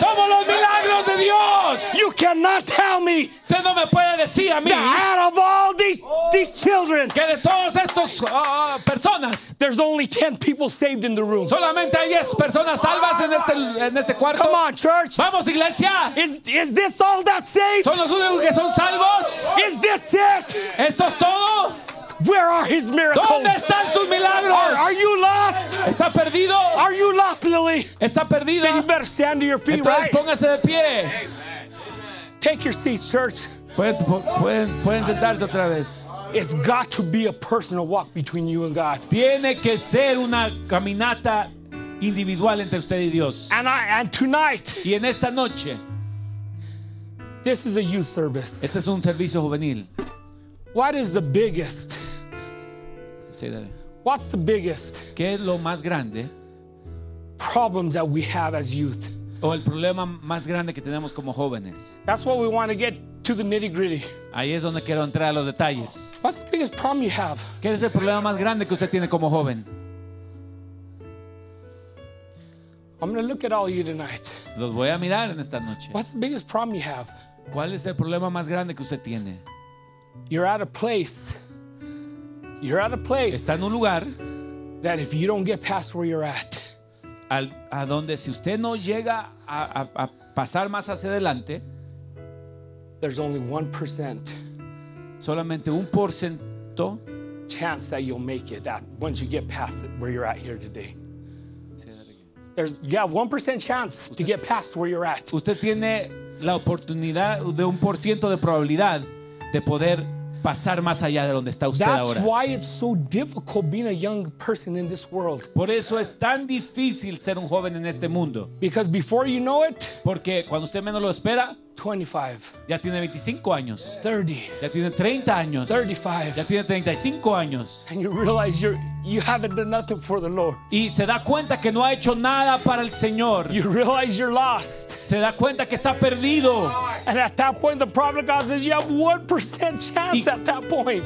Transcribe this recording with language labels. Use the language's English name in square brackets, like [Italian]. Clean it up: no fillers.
[Spanish] Somos los milagros de Dios. [English] You cannot tell me. [Spanish] Usted no me puede decir a mí. [English] Out of all these children. [Spanish] Que de todos estos personas. [English] There's only 10 people saved in the room. [Spanish] Solamente hay 10 personas salvas en este cuarto. [English] Come on, church. [Spanish] Vamos, iglesia. [English] Is this all that saved? [Spanish] ¿Son los únicos que son salvos? [English] Is this it? [Spanish] ¿Esto es todo? [English] Where are his miracles? [Spanish] ¿Dónde están sus milagros? [English] Are you lost? [Spanish] ¿Está perdido? [English] Are you lost, Lily? [Spanish] ¿Está perdida? [English] Then you better stand to your feet. [Spanish] Entonces, [English] right? [Spanish] Póngase de pie. [English] Take your seats, church. [Spanish] Pueden sentarse otra vez. [English] It's got to be a personal walk between you and God. [Spanish] Tiene que ser una caminata individual entre usted y Dios. [English] And tonight. [Spanish] Y en esta noche. [English] This is a youth service. [Spanish] Este es un servicio juvenil. [English] What is the biggest? Say that. What's the biggest? [Spanish] ¿Qué es lo más grande? [English] Problems that we have as youth. [Spanish] O el problema más grande que tenemos como jóvenes. [English] That's what we want to get to the nitty-gritty. [Spanish] Ahí es donde quiero entrar a los detalles. [English] What's the biggest problem you have? [Spanish] ¿Qué es el problema más grande que usted tiene como joven? [English] I'm going to look at all of you tonight. [Spanish] Los voy a mirar en esta noche. [English] What's the biggest problem you have? [Spanish] ¿Cuál es el problema más grande que usted tiene? [English] You're at a place. You're at a place. [Spanish] Está en un lugar. [English] That if you don't get past where you're at. [Spanish] A donde si usted no llega a pasar más hacia adelante, [English] there's only 1%. [Spanish] Solamente 1% [English] chance that you'll make it at once you get past it, where you're at here today. There's, you have 1% chance usted, to get past where you're at. [Spanish] Usted tiene la oportunidad de 1% de probabilidad de poder pasar más allá de donde está usted. [English] That's [Spanish] ahora. [English] That's why it's so difficult being a young person in this world. [Spanish] Por eso es tan difícil ser un joven en este mundo. [English] Because before you know it, [Spanish] porque cuando usted menos lo espera, [English] 25. [Spanish] Ya tiene 25 años. [English] 30. [Spanish] Ya tiene 30 años. [English] 35. [Spanish] Ya tiene 35 años. [English] And you realize you haven't done nothing for the Lord. [Spanish] Y se da cuenta que no ha hecho nada para el Señor. [English] You realize you're lost. [Spanish] Se da cuenta que está perdido. [English] And at that point the prophet God says you have 1% chance at that point.